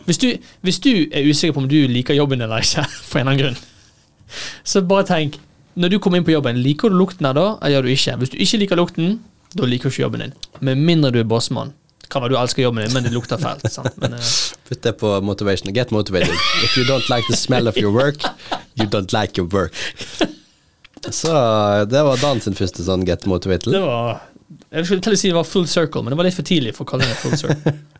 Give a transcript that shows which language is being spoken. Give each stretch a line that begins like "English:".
Norwegian: Hvis du er usikker på om du liker jobben eller ikke, for en annen grunn, så bare tenk, når du kommer inn på jobben, liker du lukten her da, eller gjør du ikke? Hvis du ikke liker lukten, da liker du ikke jobben din. Med mindre du er bossmann. Kan være du elsker jobben din, men det lukter feil. Putt det på motivation.
English: Get motivated. If you don't like the smell of your work, you don't like your work.
Norwegian: Så det var Dan sin første sånn
English: get motivated.
Norwegian: Det var, jeg skulle til å si det var full circle, men det var litt for tidlig for å kalle det full circle.